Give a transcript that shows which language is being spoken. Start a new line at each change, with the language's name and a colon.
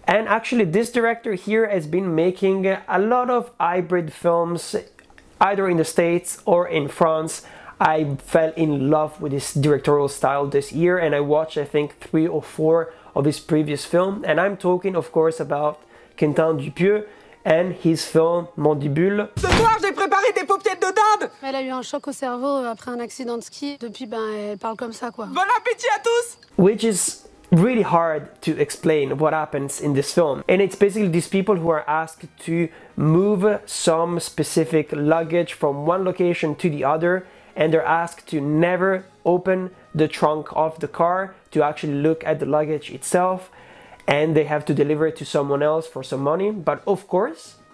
English: And actually, this director here has been making a lot of hybrid films, either in the States or in France. I fell in love with his directorial style this year, and I watched, I think, 3 or 4 of his previous films. And I'm talking, of course, about Quentin Dupieux and his film Mandibule.
French: Ce soir, j'ai préparé des paupiettes de dinde. Elle a eu un choc au cerveau après un accident de ski. Depuis, ben, elle parle comme ça, quoi. Bon appétit à tous.
English: Which is really hard to explain what happens in this film. And it's basically these people who are asked to move some specific luggage from one location to the other, and they're asked to never open the trunk of the car to actually look at the luggage itself. And they have to deliver it to someone else for some money. But of course,